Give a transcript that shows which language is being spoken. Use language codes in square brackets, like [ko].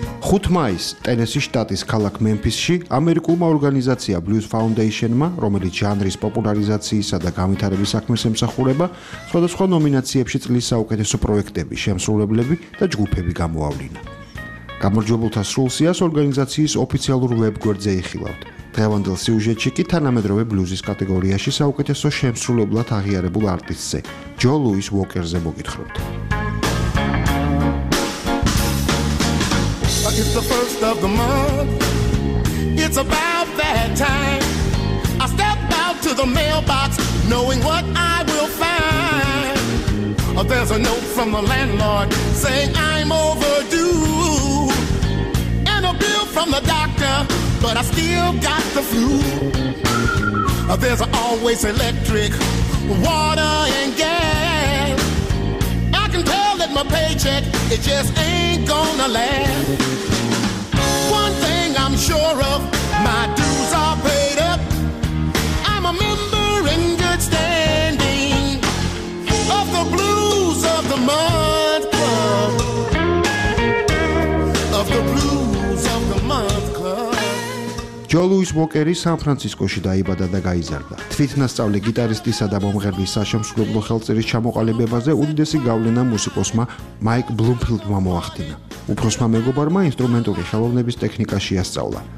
[ka] ხუთმაის ტენესის შტატის ქალაქ მემფისში ამერიკულმა ორგანიზაცია Blues Foundation-მა, რომელიც ჟანრის პოპულარიზაციისა და გამვითარების საქმეს ემსახურება, სხვადასხვა ნომინაციებში წლის საუკეთესო პროექტები, შემსრულებლები და ჯგუფები გამოავლინა. გამარჯვებულთა სრულსიას ორგანიზაციის ოფიციალურ ვებგვერდზე იხილავთ. დღევანდელ სიუჟეტში კი თანამედროვე ბლუზის კატეგორიაში საუკეთესო შემსრულებლად აღიარებულ არტისტზე, ჯო ლუის უოკერზე მოგითხრობთ. [en] It's the first of the month, it's about that time. I step out to the mailbox, knowing what I will find. There's a note from the landlord saying I'm overdue, and a bill from the doctor, but I still got the flu. There's always electric, water and gas. I can tell that my paycheck, it just ain't gonna last. Sure of my dues are paid up. I'm a member in good standing of the Blues of the Month Club. Of the Blues of the Month Club. [ka] ჯო ლუის უოკერი სან ფრანცისკოში დაიბადა და გაიზარდა. თვითნასწავლი გიტარისტისა და მომღერლის საშემსრულებლო ხელწერის ჩამოყალიბებაზე უდიდესი გავლენა მუსიკოსმა მაიკ ბლუმფილდმა მოახდინა. უფროსმა მეგობარმა ინსტრუმენტური ხელოვნების ტექნიკა შეასწავლა.